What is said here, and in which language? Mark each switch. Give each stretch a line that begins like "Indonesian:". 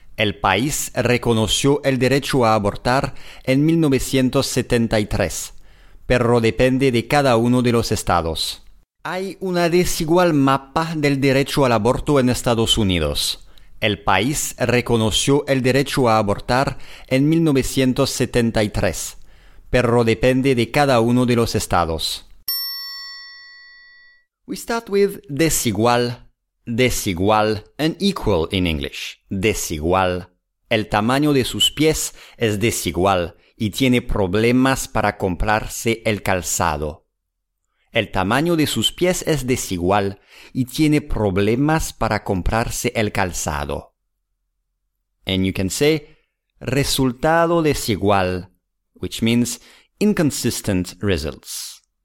Spanish: El país reconoció el derecho a abortar en 1973, pero depende de cada uno de los estados. Hay una desigual mapa del derecho al aborto en Estados Unidos. El país reconoció el derecho a abortar en 1973, pero depende de cada uno de los estados.
English: We start with desigual, desigual, unequal in English.
Spanish: Desigual. El tamaño de sus pies es desigual y tiene problemas para comprarse el calzado. El tamaño de sus pies es desigual y tiene problemas para comprarse el calzado.
English: And you can say,
Spanish: resultado desigual,
English: which means inconsistent results.